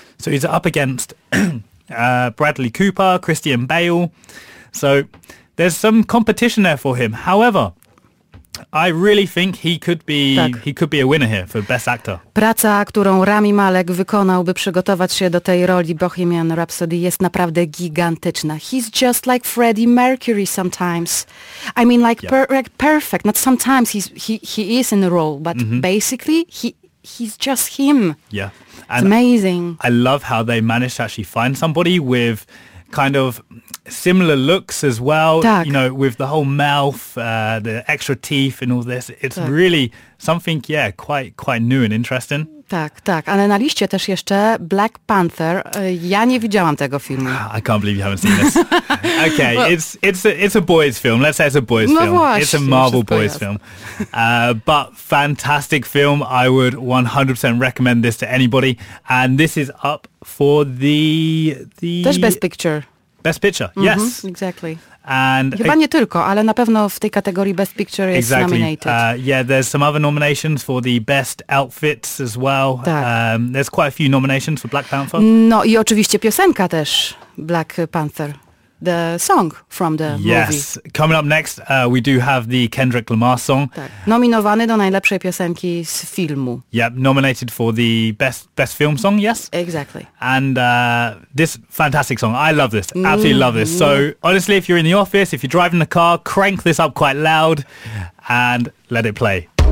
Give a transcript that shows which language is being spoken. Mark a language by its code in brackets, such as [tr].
[en] So he's up against Bradley Cooper, Christian Bale. So there's some competition there for him. However, I really think he could be a winner here for best actor. [pl] Praca, którą Rami Malek wykonał, by przygotować się do tej roli Bohemian Rhapsody, jest naprawdę gigantyczna. [en] He's just like Freddie Mercury sometimes. I mean, like, like perfect. Not sometimes he is in the role, but basically he's just him. Yeah, and it's amazing. I love how they managed to actually find somebody with kind of similar looks as well, [pl] tak. [en] You know, with the whole mouth, the extra teeth and all this. It's tak. Really something, yeah, quite new and interesting. [pl] Tak, tak. Ale na liście też jeszcze Black Panther. Ja nie widziałam tego filmu. [en] I can't believe you haven't seen this. Okay, it's a boys film. Let's say it's a boys no film. [pl] Właśnie, [en] it's a Marvel boys jest. Film. But fantastic film. I would 100% recommend this to anybody. And this is up for the [pl] też Best Picture. [en] Best Picture, yes. Exactly. And [pl] chyba nie tylko, ale na pewno w tej kategorii Best Picture jest nominated. [en] Yeah, there's some other nominations for the Best Outfits as well. [pl] Tak. [en] There's quite a few nominations for Black Panther. [pl] No i oczywiście piosenka też, Black Panther. [en] The song from the movie. Yes, coming up next, we do have the Kendrick Lamar song. [pl] Tak. Nominowany do najlepszej piosenki z filmu. [en] Yep, nominated for the best film song, yes? Exactly. And this fantastic song, I love this, absolutely love this. So honestly, if you're in the office, if you're driving the car, crank this up quite loud and let it play.